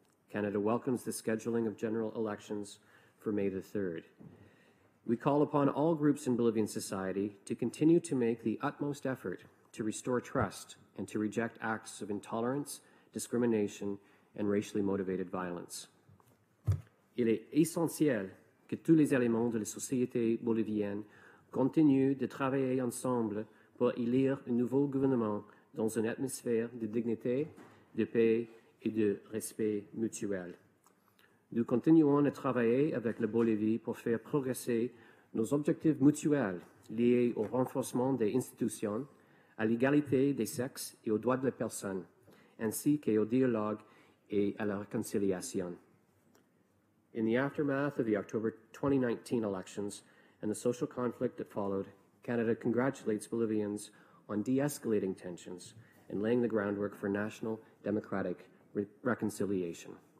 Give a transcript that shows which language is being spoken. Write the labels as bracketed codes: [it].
[en] Canada welcomes the scheduling of general elections for May the 3rd. We call upon all groups in Bolivian society to continue to make the utmost effort to restore trust and to reject acts of intolerance, discrimination, and racially motivated violence. [fr] Il est essentiel que tous les éléments de la société bolivienne continuent de travailler ensemble pour élire un nouveau gouvernement dans une atmosphère de dignité, de paix et de respect mutuel. Nous continuons à travailler avec la Bolivie pour faire progresser nos objectifs mutuels liés au renforcement des institutions, à l'égalité des sexes et aux droits de la personne, ainsi qu'au dialogue et à la réconciliation. [en] In the aftermath of the October 2019 elections and the social conflict that followed, Canada congratulates Bolivians on de-escalating tensions and laying the groundwork for national democratic reconciliation.